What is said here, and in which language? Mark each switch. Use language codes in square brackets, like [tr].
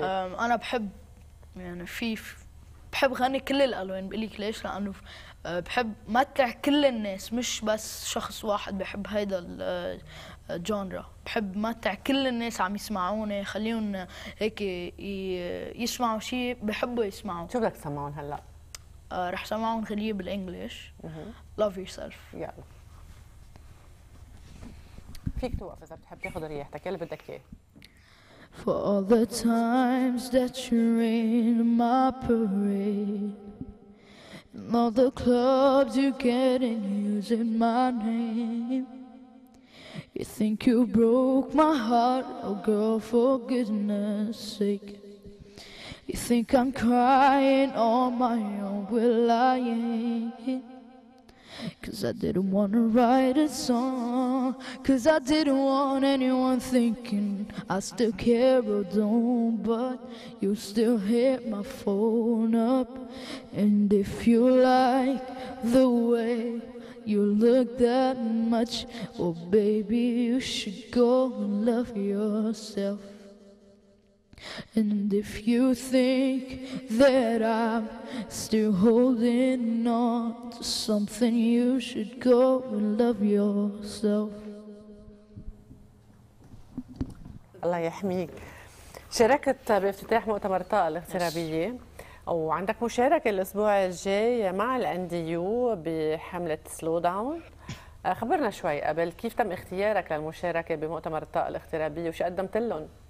[ar] انا بحب يعني في بحب غني كل الالوان بقول لك ليش لانه بحب متع كل الناس مش بس شخص واحد بحب هذا الجانرا بحب متع كل الناس عم يسمعوني خليهم هيك يسمعوا شيء بحبوا يسمعوا شو بدك تسمعون هلا رح سمعون خليه بالانجلش [en] love yourself [ar] يلا فيك توقف إذا بتحب تاخذ ريحتك يلي بدك إياه [en] For all the times that you rain my parade And all the clubs you get in using my name You think you broke my heart, oh girl, for goodness sake You think I'm crying on my own, well I ain't Cause I didn't wanna write a song Cause I didn't want anyone thinking I still care or don't But you still hit my phone up And if you like the way you look that much Well baby you should go and love yourself And if you think that I'm still holding on to something you should go and love yourself [ar] الله يحميك شاركت بافتتاح مؤتمر طاقة الاغترابية وعندك مشاركة الأسبوع الجاي مع الانديو بحملة سلو داون خبرنا شوي قبل كيف تم اختيارك للمشاركة بمؤتمر الطاقة الاغترابية وش قدمت لهم